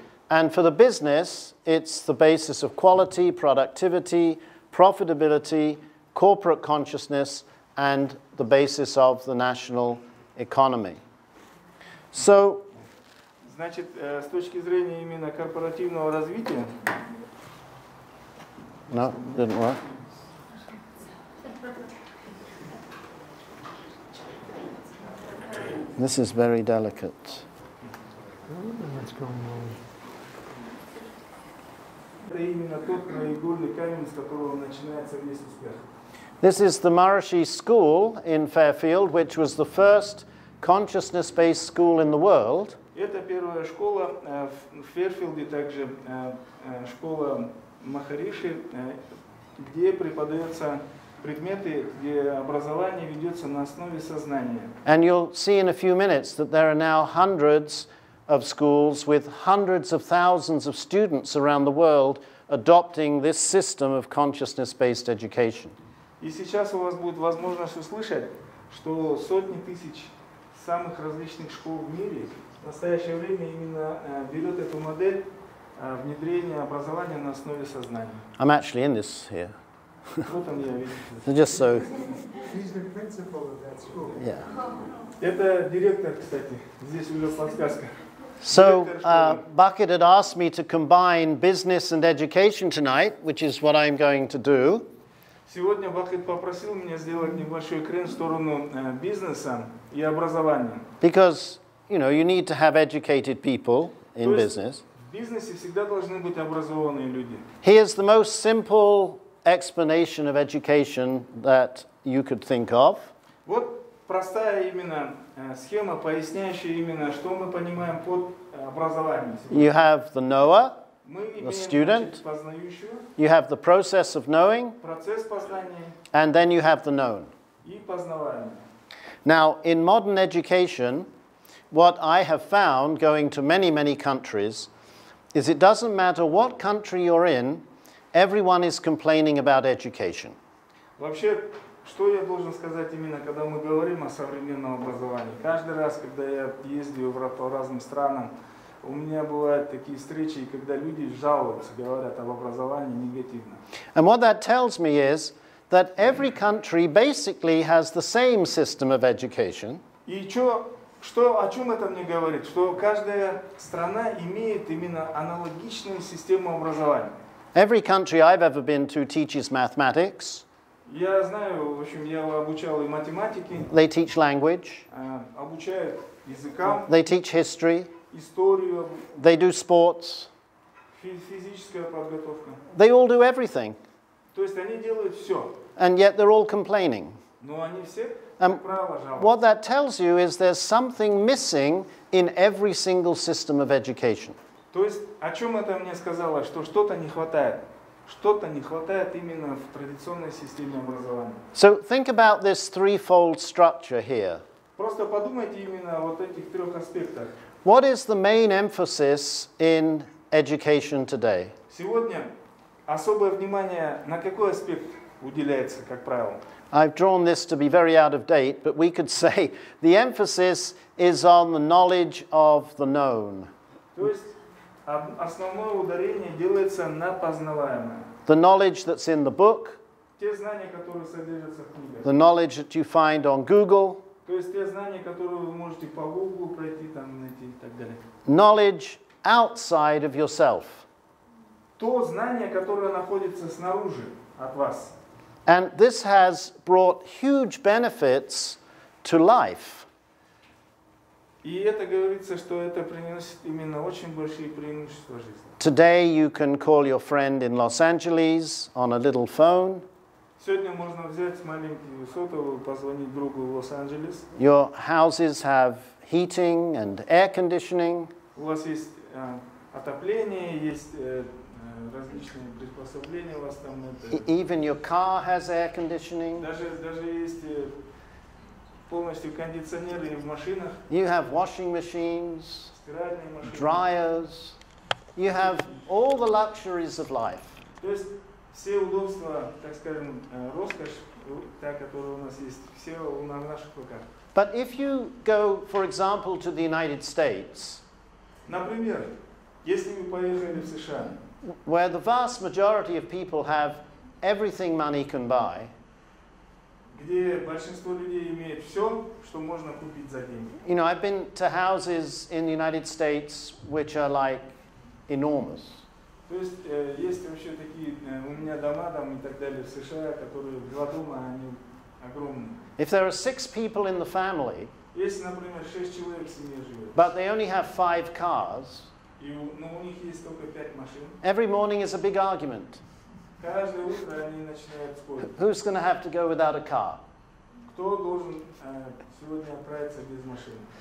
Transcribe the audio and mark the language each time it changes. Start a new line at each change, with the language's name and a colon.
English: And for the business, it's the basis of quality, productivity, profitability, corporate consciousness, and the basis of the national economy. So,
Russian: значит, с точки зрения именно корпоративного развития.
English: No, didn't work. This is very delicate. What's going on?
Russian: Это именно тот наигольный камень, с которого начинается весь успех.
English: This is the Maharishi School in Fairfield, which was the first consciousness-based school in the world.
Russian: Это первая школа в Фэрфилде, также школа Махариши, где преподаются предметы, где образование ведется на основе сознания.
English: And you'll see in a few minutes that there are now hundreds of schools with hundreds of thousands of students around the world adopting this system of consciousness-based education.
Russian: И сейчас у вас будет возможность услышать, что сотни тысяч самых различных школ в мире в настоящее время именно берет эту модель внедрения образования на основе сознания.
English: I'm actually in this here.
Russian: Вот он, я вижу.
English: Just so. He's the principal of that school. Yeah.
Russian: Это директор, кстати. Здесь уже подсказка.
English: So, Bucket had asked me to combine business and education tonight, which is what I'm going to do.
Russian: Сегодня Бакет попросил меня сделать небольшой крен в сторону бизнеса и образования.
English: Because, you know, you need to have educated people in business.
Russian: В бизнесе всегда должны быть образованные люди.
English: Here's the most simple explanation of education that you could think of.
Russian: Вот простая именно схема, поясняющая именно, что мы понимаем под образованием.
English: You have the knower, the student.
Russian: Познающую.
English: You have the process of knowing.
Russian: Процесс познания.
English: And then you have the known.
Russian: И познаваемое.
English: Now, in modern education, what I have found going to many, many countries is it doesn't matter what country you're in, everyone is complaining about education.
Russian: Вообще, что я должен сказать именно, когда мы говорим о современном образовании? Каждый раз, когда я ездил по разным странам, у меня бывают такие встречи, когда люди жалуются, говорят об образовании негативно.
English: And what that tells me is that every country basically has the same system of education.
Russian: И что Что, о чем это мне говорит? Что каждая страна имеет именно аналогичную систему образования.
English: Every country I've ever been to teaches mathematics.
Russian: Я знаю, в общем, я обучал и математике.
English: They teach language.
Russian: Обучают языкам.
English: They teach history.
Russian: Историю.
English: They do sports.
Russian: Физическая подготовка.
English: They all do everything.
Russian: То есть они делают все.
English: And yet they're all complaining.
Russian: Но они все, как правило, жалуются.
English: What that tells you is there's something missing in every single system of education.
Russian: То есть о чем это мне сказало, что что-то не хватает. Что-то не хватает именно в традиционной системе образования.
English: So think about this threefold structure here.
Russian: Просто подумайте именно о вот этих трех аспектах.
English: What is the main emphasis in education today?
Russian: Сегодня особое внимание на какой аспект уделяется, как правило?
English: I've drawn this to be very out of date, but we could say the emphasis is on the knowledge of the known.
Russian: То есть основное ударение делается на познаваемое.
English: The knowledge that's in the book.
Russian: Те знания, которые содержатся в книгах.
English: The knowledge that you find on Google.
Russian: То есть те знания, которые вы можете по Google пройти, там найти и так далее.
English: Knowledge outside of yourself.
Russian: То знание, которое находится снаружи от вас.
English: And this has brought huge benefits to life.
Russian: И это говорится, что это приносит именно очень большие преимущества жизни.
English: Today you can call your friend in Los Angeles on a little phone.
Russian: Сегодня можно взять маленькую сотовую, позвонить другу в Лос-Анджелес.
English: Your houses have heating and air conditioning.
Russian: У вас есть отопление, есть различные приспособления у вас там.
English: Even your car has air conditioning.
Russian: Даже есть полностью кондиционеры в машинах.
English: You have washing machines,
Russian: стиральные машины,
English: dryers. You have all the luxuries of life.
Russian: То есть все удобства, так скажем, роскошь, та, которая у нас есть, все у нас в наших руках.
English: But if you go, for example, to the United States,
Russian: например, если вы поехали в США,
English: where the vast majority of people have everything money can buy,
Russian: где большинство людей имеет все, что можно купить за деньги.
English: You know, I've been to houses in the United States which are like enormous.
Russian: То есть есть вообще такие у меня дома там и так далее в США, которые два дома, они огромные.
English: If there are six people in the family,
Russian: если, например, шесть человек в семье живет,
English: but they only have five cars,
Russian: но у них есть только пять машин,
English: every morning is a big argument.
Russian: Каждое утро они начинают спорить.
English: Who's going to have to go without a car? Кто должен сегодня отправиться без машины?